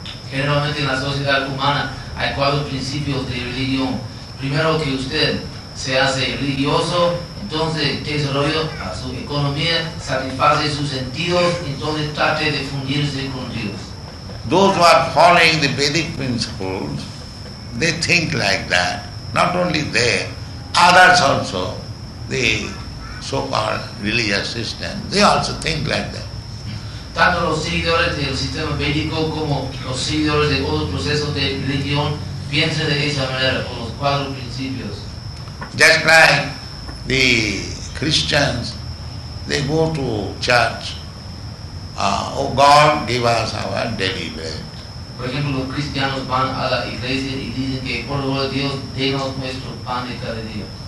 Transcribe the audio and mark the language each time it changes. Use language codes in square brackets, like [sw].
[es] Generalmente, en la sociedad humana hay cuatro principios de religión. Primero, que usted se hace religioso. Entonces, desarrollo a su economía, satisface sus sentidos, entonces trate de fundirse con Dios. [en] Those who are following the Vedic principles, they think like that. Not only they, others also, the so-called religious system, they also think like that. [es] Tanto los seguidores del sistema védico como los seguidores de otros procesos de religión piensan de esa manera, con los cuatro principios. [en] Just like the Christians, they go to church, oh God, give us our daily bread. [es] Por ejemplo, los cristianos van a la iglesia y dicen que por favor Dios, denos nuestro pan de cada día.